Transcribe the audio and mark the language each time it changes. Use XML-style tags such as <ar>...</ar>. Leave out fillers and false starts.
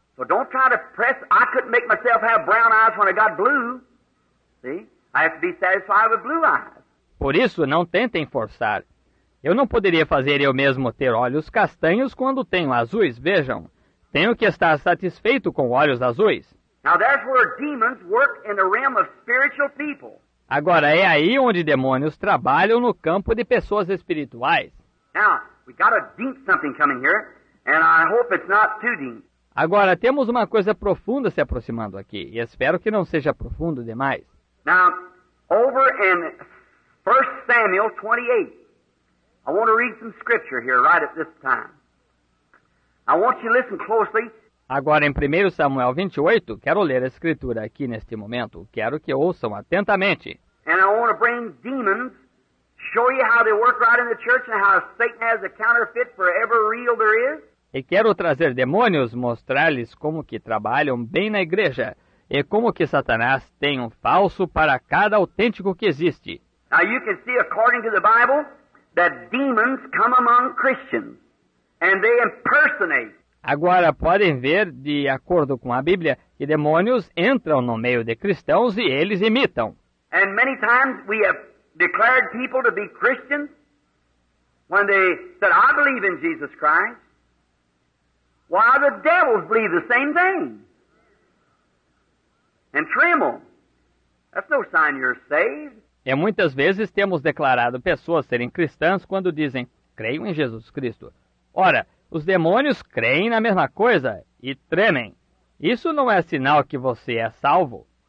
<en>So don't try to press. I couldn't make myself have brown eyes when I got blue. See? I have to be satisfied with blue eyes.</en> <pt>Por isso, não tentem forçar. Eu não poderia fazer eu mesmo ter olhos castanhos quando tenho azuis, vejam. Tenho que estar satisfeito com olhos azuis.</pt> <en>Now that's where demons work in the realm of spiritual people.</en> <pt>Agora, é aí onde demônios trabalham no campo de pessoas espirituais.</pt> <en>Now, we got a deep something coming here, and I hope it's not too deep.</en> <pt>Agora, temos uma coisa profunda se aproximando aqui, e espero que não seja profundo demais.</pt> <en>Now, over in 1 Samuel 28, I want to read some scripture here right at this time. I want you to listen closely.</en> <pt>Agora, em 1 Samuel 28, quero ler a escritura aqui neste momento. Quero que ouçam atentamente.</pt> <en>And I want to bring demons, show you how they work right in the church and how Satan has a counterfeit for every real there is.</en> <pt>E quero trazer demônios, mostrar-lhes como que trabalham bem na igreja e como que Satanás tem um falso para cada autêntico que existe.</pt> <en>Now you can see, according to the Bible, that demons come among Christians and they impersonate.</en> <pt>Agora, podem ver, de acordo com a Bíblia, que demônios entram no meio de cristãos e eles imitam.</pt> <en>And many times we have declared people to be Christians when they said, I believe in Jesus Christ. Why, the devils believe the same thing. And tremble. That's no sign you're saved.</en> <pt>E muitas vezes temos declarado pessoas serem cristãs quando dizem, creio em Jesus Cristo. Ora, os demônios creem na mesma coisa e tremem. Isso não é sinal que você é salvo.</pt>